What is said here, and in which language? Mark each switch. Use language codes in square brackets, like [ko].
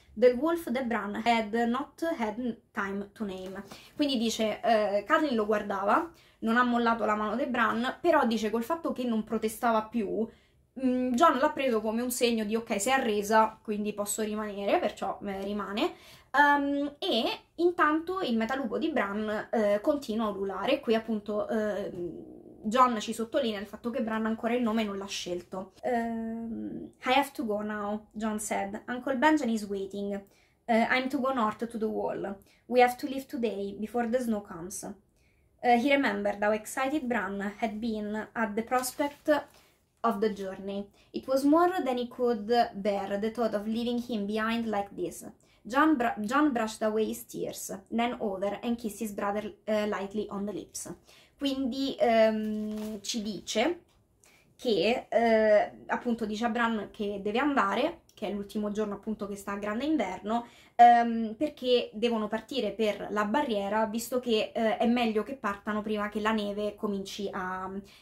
[en] The wolf that Bran had not had time to name. [it] Quindi dice, Catelyn lo guardava, non ha mollato la mano di Bran, però dice, col fatto che non protestava più, John l'ha preso come un segno di ok, si è arresa, quindi posso rimanere, perciò rimane. E intanto il metalupo di Bran continua a ululare. Qui appunto John ci sottolinea il fatto che Bran ancora il nome non l'ha scelto. [en] I have to go now, John said. Uncle Benjamin is waiting. I'm to go north to the wall. We have to leave today before the snow comes. He remembered how excited Bran had been at the prospect of the journey. It was more than he could bear, the thought of leaving him behind like this. John brushed away his tears, then over, and kissed his brother lightly on the lips. [it] Quindi ci dice che, appunto, dice a Bran che deve andare, che è l'ultimo giorno appunto che sta a Grande Inverno, perché devono partire per la barriera, visto che è meglio che partano prima che la neve cominci a